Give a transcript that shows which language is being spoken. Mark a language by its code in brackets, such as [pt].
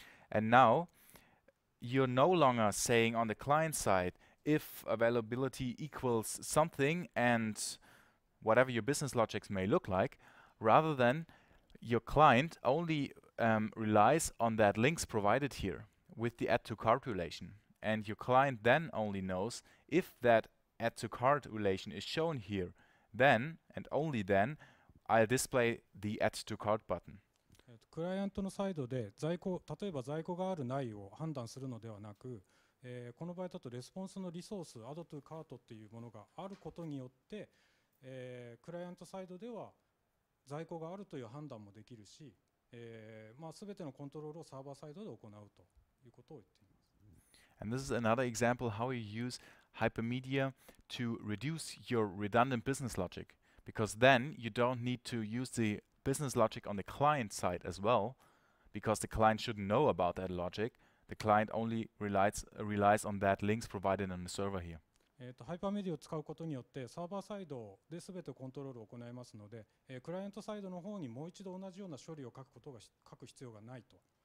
[en] And now you're no longer saying on the client side if availability equals something and whatever your business logics may look like, rather than your client only relies on that links provided here with the add to cart relation. And your client then only knows if that add to cart relation is shown here, then and only then I'll display the add to cart button. [ja] クライアントのサイドで在庫、例えば在庫があるないを判断するのではなく、この場合だとレスポンスのリソース、アドトゥカートっていうものがあることによって、クライアントサイドでは在庫があるという判断もできるし、まあ、全てのコントロールをサーバーサイドで行うということを言っています。 [en] And this is another example how you use Hypermedia to reduce your redundant business logic, because then you don't need to use thebusiness logic on the client side as well, because the client shouldn't know about that logic. The client only relies on that links provided on the server here. [ja] Hypermedia を使うことによってサーバーサイドで全てコントロールを行いますので、クライアントサイドの方にもう一度同じような処理を書く必要がないと。